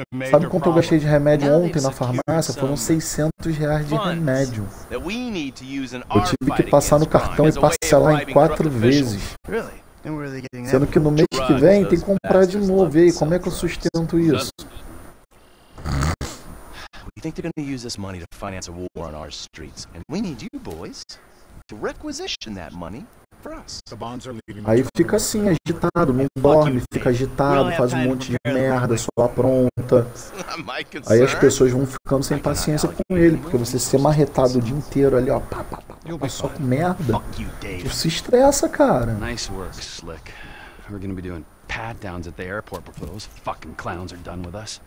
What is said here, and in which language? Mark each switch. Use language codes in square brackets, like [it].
[pt] Sabe quanto eu gastei de remédio ontem na farmácia? Foram R$600 de remédio. Eu tive que passar no cartão e parcelar em 4 vezes. Sendo que no mês que vem tem que comprar de novo. E aí, como é que eu sustento isso? [en] Think they're going to use this money to finance a war on our streets, and we need you boys to requisition that money for us. The bonds are leaving. [pt] Aí fica assim agitado, não dorme, fica agitado, faz um monte de merda, só apronta. Aí as pessoas vão ficando sem paciência com ele, porque você ser marretado o dia inteiro ali, ó, pá, pá, pá, pá, só com merda. Tu se estressa, cara. [en] Nice work, Slick. We're going to be doing pat downs at the airport before those fucking clowns are done with us.